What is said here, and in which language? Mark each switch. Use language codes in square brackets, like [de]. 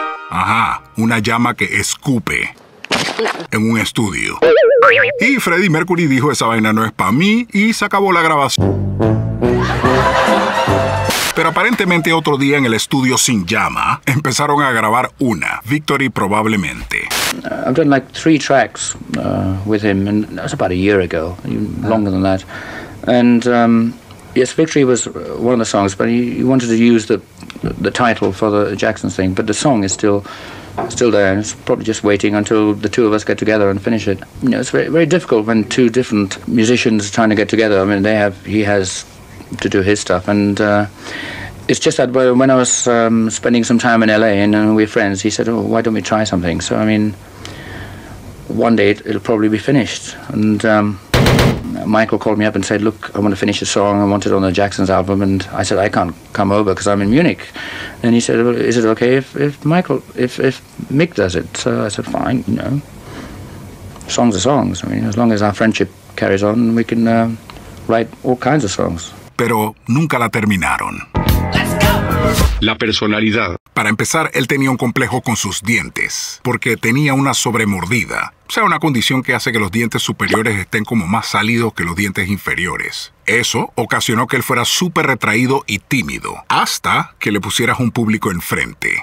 [es] Ajá, una llama que escupe en un estudio. Y Freddie Mercury dijo, esa vaina no es pa' mí, y se acabó la grabación. Pero aparentemente otro día en el estudio sin llama, empezaron a grabar una, Victory probablemente. [en] I've done like three tracks with him, and that was about a year ago, longer than that. And yes, Victory was one of the songs, but he wanted to use the title for the Jackson thing, but the song is still there, and it's probably just waiting until the two of us get together and finish it. You know, it's very, very difficult when two different musicians are trying to get together. I mean, he has to do his stuff, and it's just that when I was spending some time in LA and we're friends, he said, oh, why don't we try something? So, I mean, one day it'll probably be finished. And Michael called me up and said, look, I want to finish a song. I want it on the Jackson's album. And I said, I can't come over because I'm in Munich. And he said, well, is it okay if Mick does it? So I said, fine, you know. Songs are songs. I mean, as long as our friendship carries on, we can write all kinds of songs. [es] Pero nunca la terminaron. [en] Let's [es] go. La personalidad. Para empezar, él tenía un complejo con sus dientes, porque tenía una sobremordida. O sea, una condición que hace que los dientes superiores estén como más salidos que los dientes inferiores. Eso ocasionó que él fuera súper retraído y tímido, hasta que le pusieras un público enfrente.